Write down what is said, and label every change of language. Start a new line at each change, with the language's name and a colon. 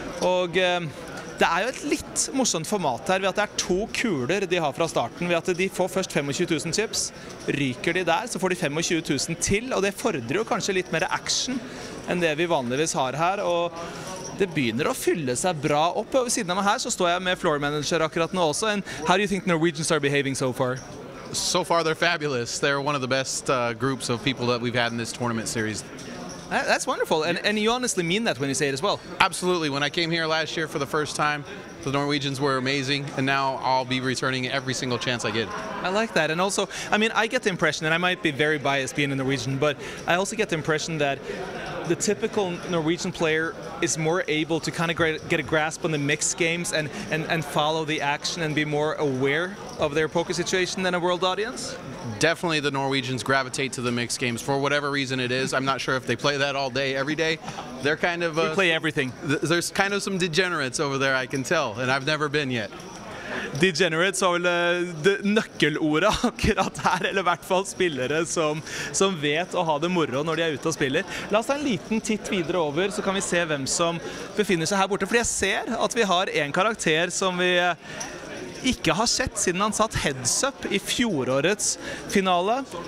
Norwegian: Og det jo et litt morsomt format her ved at det to kuler de har fra starten. Ved at de får først 25 000 chips, ryker de der, så får de 25 000 til. Og det fordrer jo kanskje litt mer action enn det vi vanligvis har her. Og det begynner å fylle seg bra opp. Og ved siden av meg her så står jeg med floor manager akkurat nå også.
English: And how do you think the Norwegians are behaving so far? So far, they're fabulous. They're one of the best groups of people that we've had in this tournament series. That's wonderful. And you honestly mean that when you say it as well. Absolutely. When I came here last year for the first time, the Norwegians were amazing. And now I'll be returning every single chance I get. I like that. And also, I mean, I get the impression, and I might be very biased being a Norwegian, but I also get the impression that the typical Norwegian player is more able to kind of get a grasp on the mixed games and follow the action and be more aware of their poker situation than a world audience? Definitely the Norwegians gravitate to the mixed games for whatever reason it is. I'm not sure if they play that all day, every day. They're kind of... They play everything. There's kind of some degenerates over there, I can tell, and I've never been yet.
Norwegian: Degenerates har vel nøkkelordet akkurat her, eller I hvert fall spillere som vet å ha det moro når de ute og spiller. La oss ta en liten titt videre over, så kan vi se hvem som befinner seg her borte. For jeg ser at vi har en karakter som vi ikke har sett siden han satt heads up I fjorårets finale.